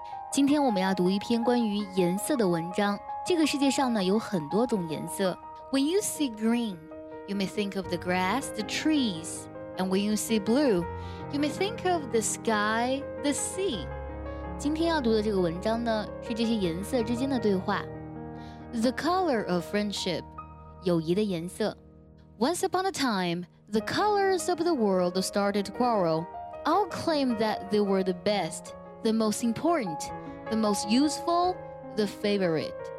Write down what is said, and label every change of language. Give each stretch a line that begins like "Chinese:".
Chinese: 今天我们要读一篇关于颜色的文章。这个世界上呢，有很多种颜色。
English: When you see green, you may think of the grass, the trees. And when you see blue, you may think of the sky, the sea.
Chinese: 今天要读的这个文章呢，是这些颜色之间的对话。
English: The color of friendship,
Chinese: 友谊的颜色。
English: Once upon a time, the colors of the world started to quarrel. All claimed that they were the best, the most important, the most useful, the favorite.